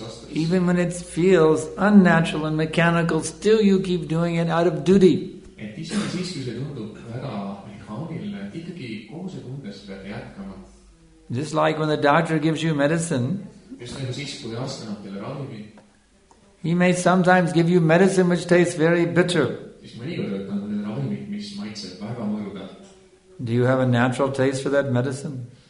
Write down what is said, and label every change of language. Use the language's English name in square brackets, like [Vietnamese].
[English] Even when it feels unnatural and mechanical, still you keep doing it out of duty. [Estonian] Et isegi siis, kui see tundub väga mehaaniline, ikkagi kogu see tundes peab jätkama. [English] Just like when the doctor gives you medicine. [Estonian] Just nagu siis, kui arst annab teile ravimi. [English] He may sometimes give you medicine which tastes very bitter. [Estonian] Siis mõnikord annab teile ravimi, mis maitseb väga mõrugalt. [English] Do you have a natural taste for that medicine?